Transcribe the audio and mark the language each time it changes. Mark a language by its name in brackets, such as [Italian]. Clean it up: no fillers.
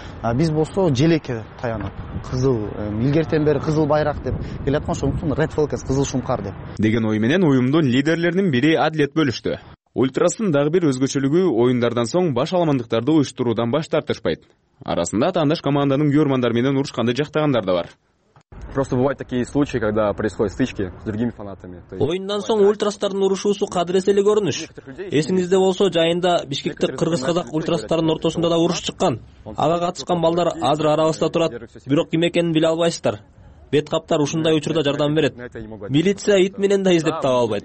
[Kyrgyz] А биз болсо желекке таянып, кызыл илгертен бери кызыл байрак деп келаткан ошондуктан Red Falcons кызыл шумкар деп. Деген ой менен уюмдун лидерлеринин бири Адилет бөлүштү. Ультрастын дагы бир өзгөчөлүгү оюндардан соң баш аламандыктарды уюштуруудан баш тартышпайт. Арасында тандаш команданын күйөрмандары менен урушканды жактагандар да бар. [Russian] Просто бывают такие случаи, когда происходят стычки с другими фанатами. [Kyrgyz] Оюндан соң ультрастардын урушуусу кадыресе эле көрүнүш. Эсиңизде болсо, жайында Бишкектик кыргыз-казак ультрастардын ортосунда да уруш чыккан. Ага катышкан балдар азыр арабызда турат, бирок ким экенин биле албайсыздар. Бет каптар ушундай учурда жардам берет. Милиция ит менен да издеп таба албайт.